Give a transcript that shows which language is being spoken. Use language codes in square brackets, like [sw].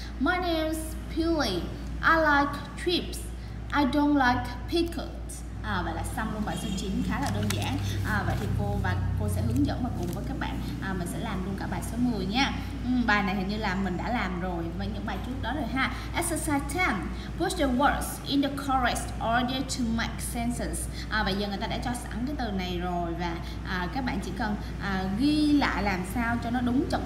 [en] My name's Pilly. I like chips. I don't like pickles. [vi] À, vậy là xong luôn bài số 9, khá là đơn giản. À, vậy thì cô sẽ hướng dẫn và cùng với các bạn mình sẽ làm luôn cả bài số 10 nha. Bài này hình như là mình đã làm rồi với những bài trước đó rồi ha. [en] Exercise 10. Put the words in the correct order to make sentences. [vi] À, bây giờ người ta đã cho sẵn cái từ này rồi và các bạn chỉ cần ghi lại làm sao cho nó đúng trật tự.